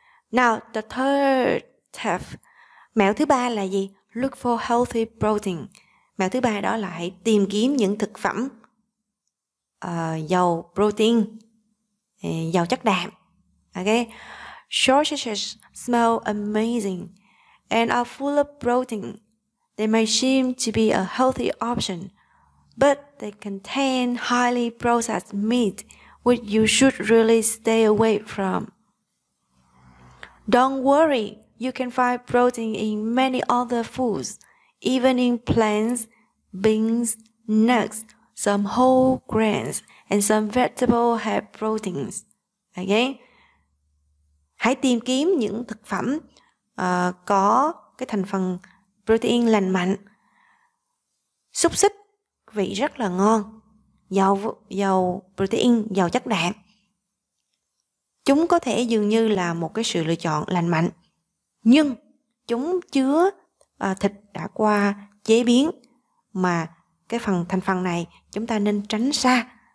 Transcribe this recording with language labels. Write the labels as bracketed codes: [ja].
[en] Now, the third tip. [vi] Mẹo thứ ba là gì? [en] Look for healthy protein. [vi] Mẹo thứ ba đó là hãy tìm kiếm những thực phẩm giàu protein, giàu chất đạm. [en] Ok. Sausages smell amazing and are full of protein. They may seem to be a healthy option, but they contain highly processed meat, which you should really stay away from. Don't worry, you can find protein in many other foods, even in plants, beans, nuts, some whole grains, and some vegetables have proteins. Okay? [vi] Hãy tìm kiếm những thực phẩm có cái thành phần protein lành mạnh. Xúc xích vị rất là ngon, giàu protein, giàu chất đạm. Chúng có thể dường như là một cái sự lựa chọn lành mạnh, nhưng chúng chứa thịt đã qua chế biến, mà cái phần thành phần này chúng ta nên tránh xa.